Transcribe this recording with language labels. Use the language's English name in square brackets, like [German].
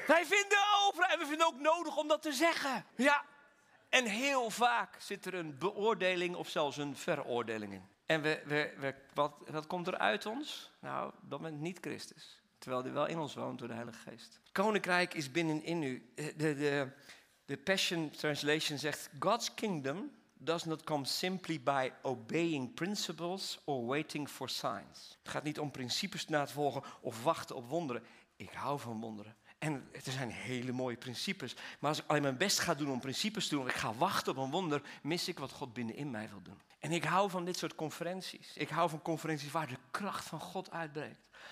[Dutch] Wij vinden over en we vinden ook nodig om dat te zeggen. Ja, en heel vaak zit er een beoordeling of zelfs een veroordeling in. En wat komt er uit ons? Nou, dat bent niet Christus. Terwijl die wel in ons woont door de Heilige Geest. Koninkrijk is binnenin u. De Passion Translation zegt... [English] God's kingdom does not come simply by obeying principles or waiting for signs. [Dutch] Het gaat niet om principes na te volgen of wachten op wonderen. Ik hou van wonderen. En er zijn hele mooie principes. Maar als ik alleen mijn best ga doen om principes te doen, of ik ga wachten op een wonder, mis ik wat God binnenin mij wil doen. En ik hou van dit soort conferenties. Ik hou van conferenties waar de kracht van God uitbreekt.